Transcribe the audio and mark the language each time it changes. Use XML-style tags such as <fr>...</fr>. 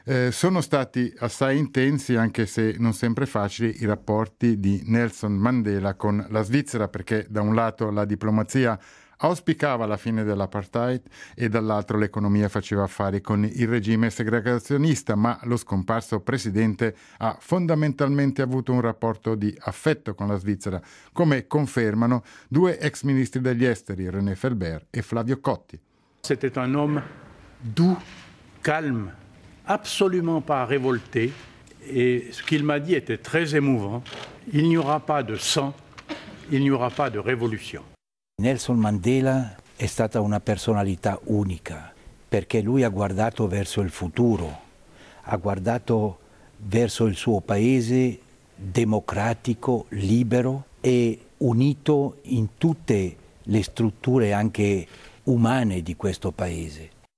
<it>Sono stati assai intensi, anche se non sempre facili, i rapporti di Nelson Mandela con la Svizzera, perché da un lato la diplomazia auspicava la fine dell'apartheid e dall'altro l'economia faceva affari con il regime segregazionista, ma lo scomparso presidente ha fondamentalmente avuto un rapporto di affetto con la Svizzera, come confermano due ex ministri degli esteri, René Felber e Flavio Cotti.</it> <fr>C'était un homme doux, calme, absolument pas révolté, et ce qu'il m'a dit était très émouvant. Il n'y aura pas de sang, il n'y aura pas de révolution.</fr> <it>Nelson Mandela è stata una personalità unica, perché lui ha guardato verso il futuro, ha guardato verso il suo paese democratico, libero e unito in tutte le strutture anche umane di questo paese.</it>